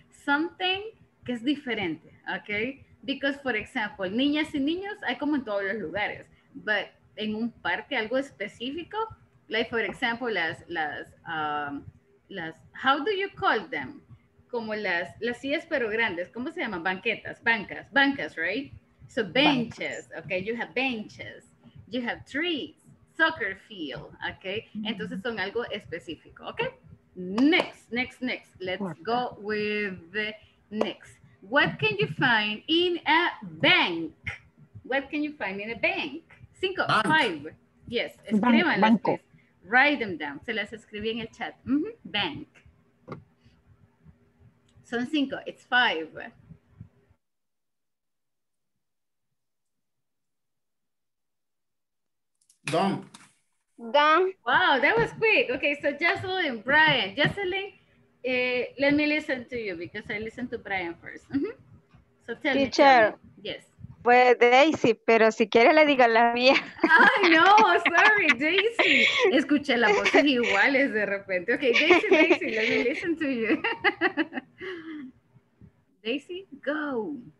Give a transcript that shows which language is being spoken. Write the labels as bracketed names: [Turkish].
[English] Something [Spanish] que es diferente, okay? [English] Because, for example, [Spanish] niñas y niños hay como en todos los lugares. [English] But [Spanish] en un parque, algo específico, [English] like for example las how do you call them? [Spanish] Como las sillas pero grandes, ¿cómo se llaman? Banquetas, bancas, right? [English] So benches, okay, you have benches, you have trees, soccer field, okay? [Spanish] Entonces son algo específico, [English] okay? Next, let's go with the next. What can you find in a bank? What can you find in a bank? Cinco, bank. Five. [Spanish] Yes, escriban las tres. [English] Write them down. [Spanish] Se las escribí en el chat. Mm-hmm. Bank. Son cinco, [English] it's five. Done. Wow, that was quick. Okay, so Jocelyn, Brian. Jocelyn, let me listen to you because I listened to Brian first. Mm-hmm. So tell teacher, me. Teacher. Yes. [Spanish] Pues Daisy, pero si quiere le diga la mía. Ay, no, sorry, Daisy. Escuché la voz de iguales de repente. [English] Ok, Daisy, let me listen to you. Daisy, go.